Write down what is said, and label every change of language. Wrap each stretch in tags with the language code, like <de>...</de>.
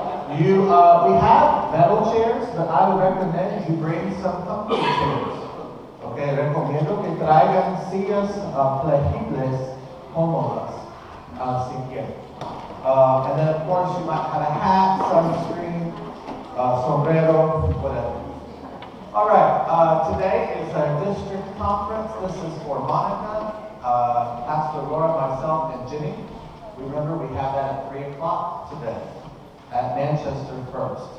<en>We have metal chairs, but I would recommend you bring some comfy chairs.</en> <es>Okay, recomiendo que traigan sillas flexibles, cómodas, si quieren.</es> <en>And then, of course, you might have a hat, sunscreen, sombrero, whatever. All right. Today is our district conference. This is for Monica, Pastor Laura, myself, and Jenny. Remember, we have that at 3 o'clock today at Manchester First.</en>